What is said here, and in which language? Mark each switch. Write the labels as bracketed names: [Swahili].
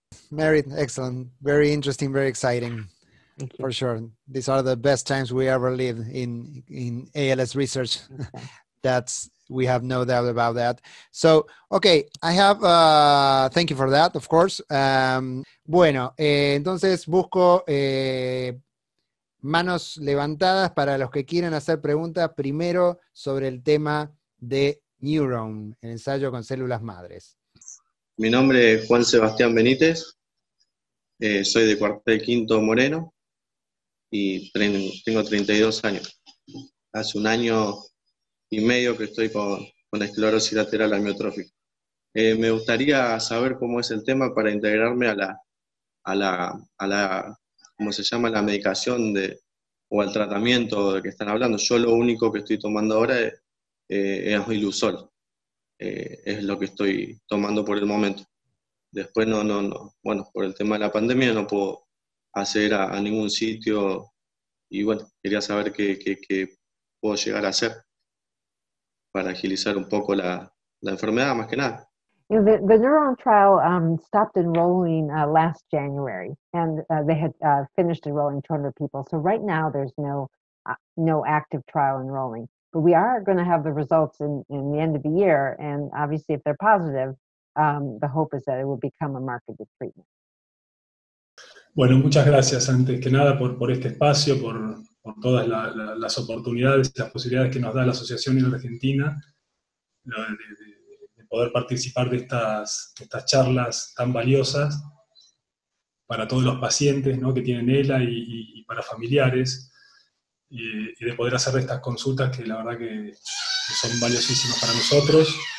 [English] Merit, excellent. Very interesting, very exciting, for sure. These are the best times we ever lived in ALS research. Okay. That's, we have no doubt about that. So, okay, I have, thank you for that, of course. [Spanish] Bueno, entonces busco manos levantadas para los que quieran hacer preguntas primero sobre el tema de Neuron, el ensayo con células madres. Mi nombre es Juan Sebastián Benítez. Soy de Cuartel Quinto Moreno y tengo 32 años. Hace un año y medio que estoy con esclerosis lateral amiotrófica. Me gustaría saber cómo es el tema para integrarme a la ¿cómo se llama? La medicación o al tratamiento del que están hablando. Yo lo único que estoy tomando ahora es Ilusol. Es lo que estoy tomando por el momento. Después no. Bueno, por el tema de la pandemia no puedo acceder a ningún sitio. Y bueno, quería saber qué puedo llegar a hacer para agilizar un poco la enfermedad, más que nada. [English] You know, the Neuron trial stopped enrolling last January, and they had finished enrolling 200 people. So right now there's no active trial enrolling. But we are going to have the results in the end of the year, and obviously if they're positive, the hope is that it will become a marketed treatment. [Spanish] Bueno, muchas gracias antes que nada por este espacio, por todas las oportunidades, las posibilidades que nos da la Asociación en Argentina de poder participar de estas charlas tan valiosas para todos los pacientes, ¿no?, que tienen ELA y para familiares, y de poder hacer estas consultas que la verdad que son valiosísimas para nosotros.